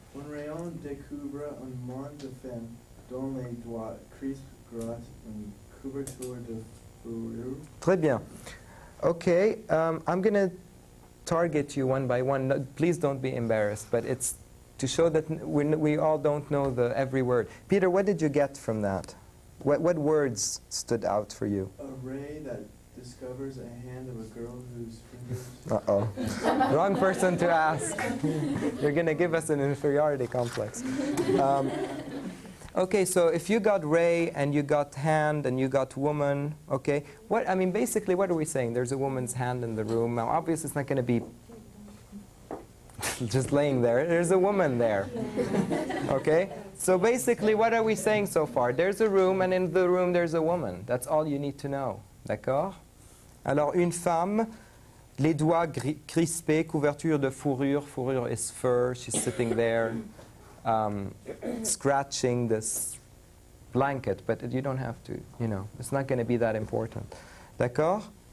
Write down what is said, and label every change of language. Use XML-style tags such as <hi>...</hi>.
<fr>Un rayon découvre un monde de femme dont les doigts crispent grâce à une couverture de fourrure. Très bien.</fr> <en>Okay, I'm going to target you one by one. No, please don't be embarrassed, but it's to show that we all don't know the every word. Peter, what did you get from that? What words stood out for you? A ray that discovers a hand of a girl whose fingers... Uh-oh. Wrong person to ask. You're going to give us an inferiority complex. Okay, so if you got ray and you got hand and you got woman, okay? Basically, what are we saying? There's a woman's hand in the room. Now, obviously, it's not going to be... just laying there. There's a woman there. Okay? So basically, what are we saying so far? There's a room, and in the room, there's a woman. That's all you need to know.</en> <fr>D'accord? Alors, une femme, les doigts crispés, couverture de fourrure.</fr> <en>Fourrure is fur. She's sitting there, scratching this blanket. But you don't have to, you know. It's not going to be that important.</en> <fr>D'accord?</fr>